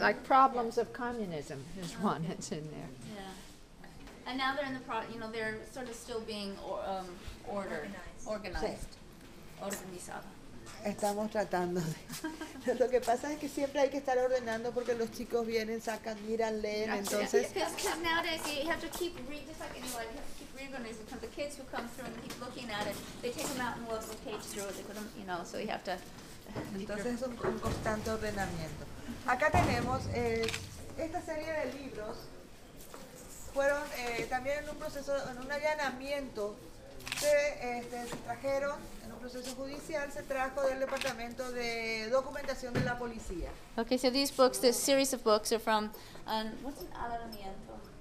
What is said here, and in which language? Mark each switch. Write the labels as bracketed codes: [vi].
[en] Like problems of communism is one that's in there. Yeah, and now they're in the they're sort of still being organized. [es] Estamos tratando. Lo que pasa es que siempre hay que estar ordenando porque los chicos vienen, sacan, miran, leen, entonces. [en] Because nowadays you have to keep reading, just like anyone, you have to keep reorganizing. Because the kids who come through and keep looking at it, they take them out and look at the page through it. They put them, so you have to. [es] Entonces es un constante ordenamiento. Acá tenemos esta serie de libros. Fueron también en un proceso, en un allanamiento, se trajeron, en un proceso judicial, se trajo del Departamento de Documentación de la Policía. [en] Okay, so these books, this series of books are from, what's an allanamiento?